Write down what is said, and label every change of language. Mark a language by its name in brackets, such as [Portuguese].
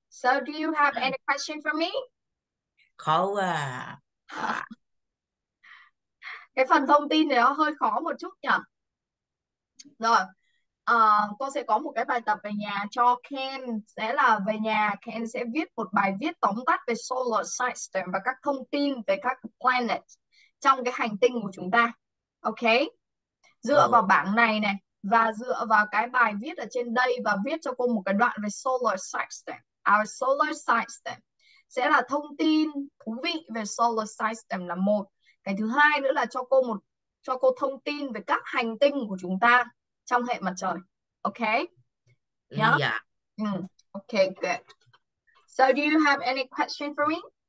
[English] So do you have any question for me? [Vietnamese] Khó quá Cái phần thông tin này nó hơi khó một chút nhỉ? Rồi. Cô sẽ có một cái bài tập về nhà cho Ken, sẽ là về nhà Ken sẽ viết một bài viết tóm tắt về solar system và các thông tin về các planet trong cái hành tinh của chúng ta. Ok, dựa vào Ồ. bảng này này, Và dựa vào cái bài viết ở trên đây và viết cho cô một cái đoạn về solar system. Our solar system sẽ là thông tin thú vị về solar system là một. Cái thứ hai nữa là cho cô thông tin về các hành tinh của chúng ta trong hệ mặt trời. [English] Okay? Yeah. Yeah. Okay, good. So do you have any question for me?